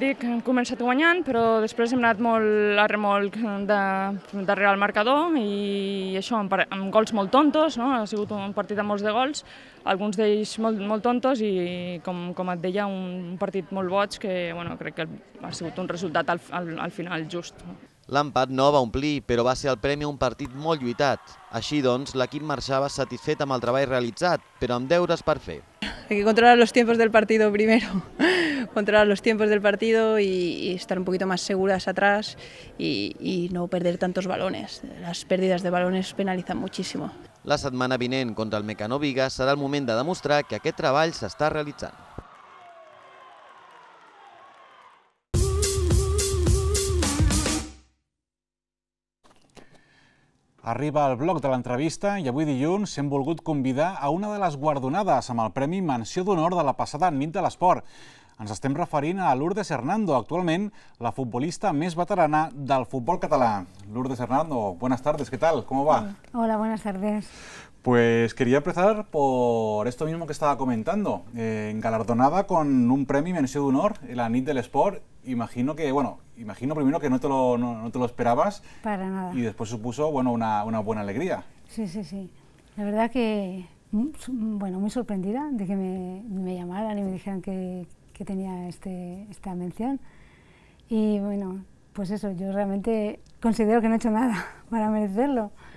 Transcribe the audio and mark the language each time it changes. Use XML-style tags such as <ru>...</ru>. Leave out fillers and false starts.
<ca>Dic que hem començat guanyant, però després hem anat molt a remolc darrere el marcador i això, amb gols molt tontos, no? Ha sigut un partit amb molts de gols, alguns d'ells molt tontos i, com et deia, un partit molt boig que bueno, crec que ha sigut un resultat al final just. L'empat no va omplir, però va ser el premi a un partit molt lluitat. Així doncs, l'equip marxava satisfet amb el treball realitzat, però amb deures per fer.</ca> <es>Hay que controlar los tiempos del partido primero, controlar los tiempos del partido y estar un poquito más seguras atrás y no perder tantos balones. Las pérdidas de balones penalizan muchísimo.</es> <ca>La setmana vinent contra el Mecano Vigas serà el moment de demostrar que aquest treball s'està realitzant. Arriba el bloc de l'entrevista i avui dilluns hem volgut convidar a una de les guardonades amb el Premi Menció d'Honor de la passada Nit de l'Esport. Ens estem referint a Lourdes Hernando, actualment la futbolista més veterana del futbol català.</ca> <es>Lourdes Hernando, buenas tardes, ¿qué tal? ¿Cómo va? Hola, buenas tardes. Pues quería empezar por esto mismo que estaba comentando. Galardonada con un Premi Menció d'Honor en la Nit de l'Esport. Imagino que, bueno, imagino primero que no te lo esperabas. Para nada. Y después supuso, bueno, una buena alegría. Sí, sí, sí. La verdad que, bueno, muy sorprendida de que me llamaran y me dijeran que tenía esta mención. Y bueno, pues eso, yo realmente considero que no he hecho nada para merecerlo.</es>